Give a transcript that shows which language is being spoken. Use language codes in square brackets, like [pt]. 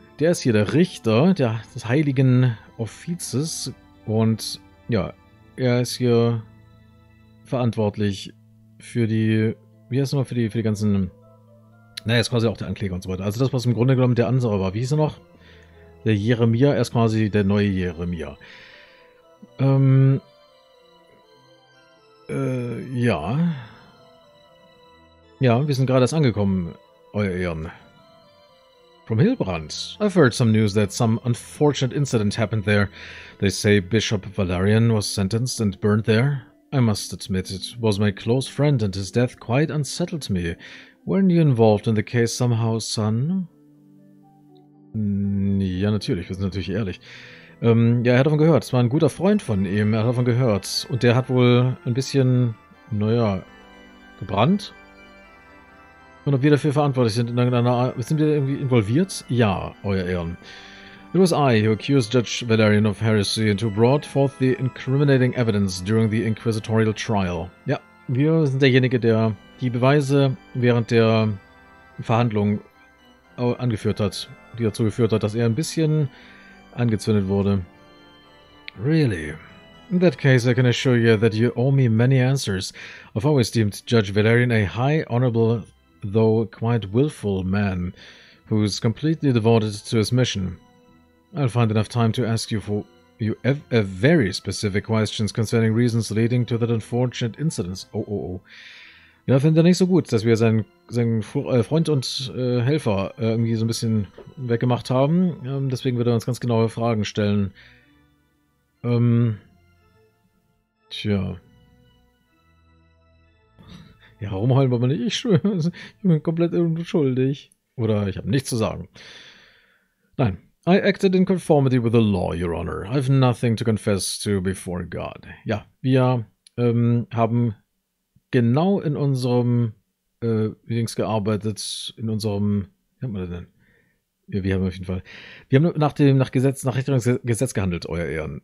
[de] Der ist hier der Richter des heiligen Offizes und ja, er ist hier verantwortlich für die, wie heißt es nochmal, für die ganzen, naja, ist quasi auch der Ankläger und so weiter. Also das, was im Grunde genommen der andere war, wie hieß er noch? Der Jeremia, er ist quasi der neue Jeremia. Ja. Ja, wir sind gerade erst angekommen, euer Ehren. [en] From Hillbrand. I've heard some news that some unfortunate incident happened there. They say Bishop Valerian was sentenced and burned there. I must admit, it was my close friend and his death quite unsettled me. Weren't you involved in the case somehow, son? [de] Ja, natürlich, wir sind natürlich ehrlich. Ja, er hat davon gehört. Es war ein guter Freund von ihm. Er hat davon gehört. Und der hat wohl ein bisschen, naja, gebrannt. Und ob wir dafür verantwortlich sind, in irgendeiner Art. Sind wir irgendwie involviert? Ja, euer Ehren. [en] It was I who accused Judge Valerian of heresy and who brought forth the incriminating evidence during the inquisitorial trial. [de] Ja, wir sind derjenige, der die Beweise während der Verhandlung angeführt hat, die dazu geführt hat, dass er ein bisschen angezündet wurde. [en] Really? In that case, I can assure you that you owe me many answers. I've always deemed Judge Valerian a high, honorable, though quite willful man, who's completely devoted to his mission. I'll find enough time to ask you for you a very specific questions concerning reasons leading to that unfortunate incident. Oh, oh, oh. [de] Ja, finde er nicht so gut, dass wir seinen Freund und Helfer irgendwie so ein bisschen weggemacht haben. Deswegen wird er uns ganz genaue Fragen stellen. Tja. Ja, warum heulen wir mal nicht? Ich bin komplett unschuldig. Oder ich habe nichts zu sagen. Nein. [en] I acted in conformity with the law, Your Honor. I have nothing to confess to before God. [de] Ja, wir haben genau in unserem übrigens gearbeitet, in unserem, wie haben wir denn? Ja, wir haben auf jeden Fall, wir haben nach Richtungsgesetz gehandelt, euer Ehren.